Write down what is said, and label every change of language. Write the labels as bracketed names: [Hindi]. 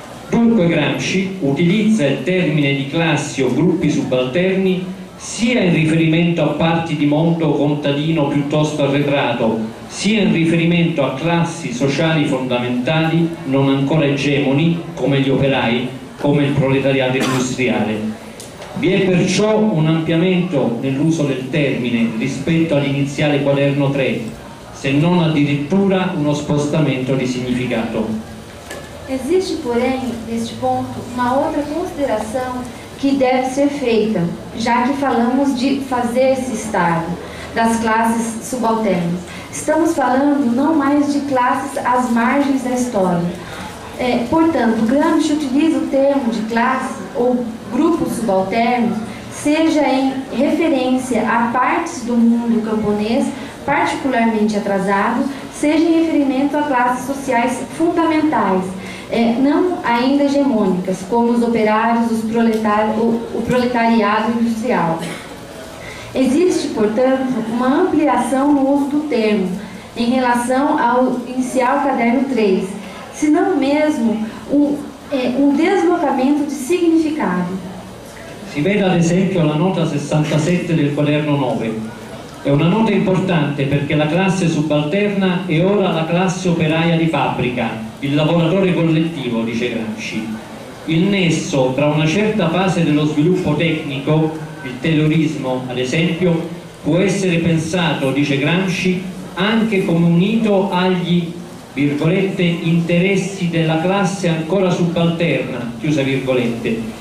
[Italian] Dunque Gramsci utilizza il termine di classi o gruppi subalterni sia in riferimento a parti di mondo contadino piuttosto arretrato, sia in riferimento a classi sociali fondamentali non ancora egemoni, come gli operai, come il proletariato industriale. Vi è perciò un ampliamento nell'uso del termine rispetto all'iniziale quaderno 3, se non addirittura uno spostamento di significato. [Portuguese] Existe, porém, neste ponto, uma outra consideração que deve ser feita, já que falamos de fazer esse estado das classes subalternas. Estamos falando não mais de classes às margens da história. É, portanto, Gramsci utiliza o termo de classe ou grupos subalternos, seja em referência a partes do mundo camponês particularmente atrasado, seja em referimento a classes sociais fundamentais, é, não ainda hegemônicas, como os operários, os o proletariado industrial. Existe, portanto, uma ampliação no uso do termo em relação ao inicial caderno 3, se não mesmo um deslocamento de significado. [Italian] Si veda, ad esempio, la nota 67 del quaderno 9. È una nota importante perché la classe subalterna è ora la classe operaia di fabbrica, il lavoratore collettivo, dice Gramsci. Il nesso tra una certa fase dello sviluppo tecnico, il taylorismo, ad esempio, può essere pensato, dice Gramsci, anche come unito agli, virgolette, interessi della classe ancora subalterna, chiusa virgolette.